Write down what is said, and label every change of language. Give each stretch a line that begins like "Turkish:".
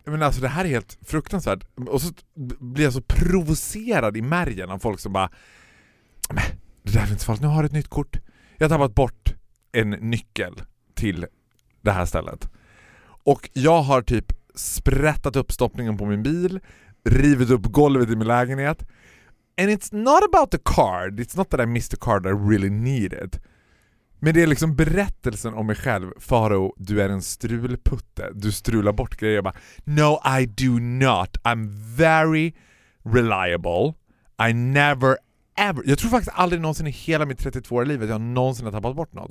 Swedish: Men alltså det här är helt fruktansvärt. Och så blir jag så provocerad i märgen av folk som bara men det där är inte falskt, nu har du ett nytt kort. Jag har tappat bort en nyckel till det här stället. Och jag har typ sprättat upp stoppningen på min bil, rivit upp golvet i min lägenhet.
English: And it's not about the card. It's not that I missed the card I really needed.
Swedish: Men det är liksom berättelsen om mig själv. Faro, du är en strulputte. Du strular bort grejer. Jag bara,
English: no, I do not. I'm very reliable. I never ever.
Swedish: Jag tror faktiskt aldrig någonsin i hela mitt 32-åriga liv att jag någonsin har tappat bort något.